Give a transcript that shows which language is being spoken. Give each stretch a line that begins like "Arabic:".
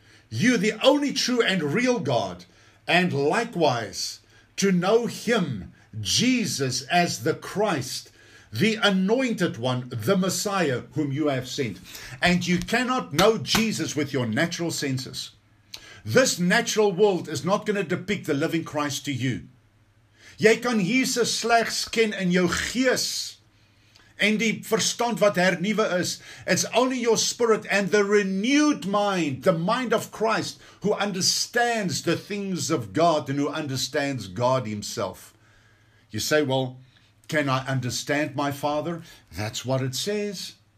English: You, the only true and real God. And likewise, to know him, Jesus, as the Christ, the anointed one, the Messiah, whom you have sent. And you cannot know Jesus with your natural senses. This natural world is not going to depict the living Christ to you.
Afrikaans: Jy kan Jesus slegs ken in jou gees en die verstand wat hernuwe is.
English: It's only your spirit and the renewed mind, the mind of Christ, who understands the things of God and who understands God himself. You say, well, can I understand my Father? That's what it says.